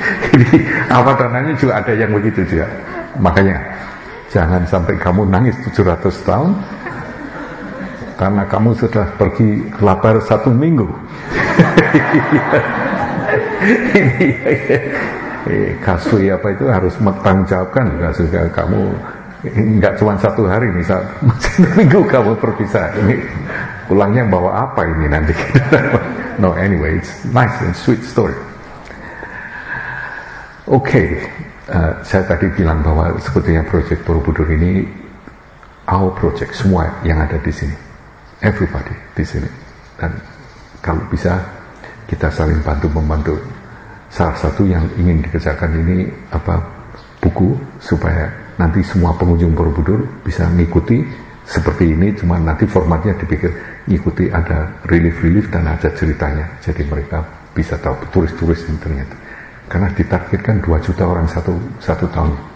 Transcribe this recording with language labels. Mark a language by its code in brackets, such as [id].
[id] Jadi avatarnya juga ada yang begitu juga. Makanya jangan sampai kamu nangis 700 tahun karena kamu sudah pergi lapar satu minggu. Kasui apa itu harus mempertanggungjawabkan, kamu enggak cuma satu hari, misal satu minggu kamu berpisah, ini pulangnya bawa apa ini nanti. [en] No, anyway, it's nice and sweet story. [id] Okay, saya tadi bilang bahwa sebetulnya project Borobudur ini [en] our project, [id] semua yang ada di sini, everybody di sini, dan kalau bisa kita saling bantu membantu. Salah satu yang ingin dikerjakan ini apa, buku, supaya nanti semua pengunjung Borobudur bisa mengikuti seperti ini, cuma nanti formatnya dipikir ngikuti, ada relief dan ada ceritanya, jadi mereka bisa tahu, turis yang ternyata, karena ditargetkan 2 juta orang satu tahun.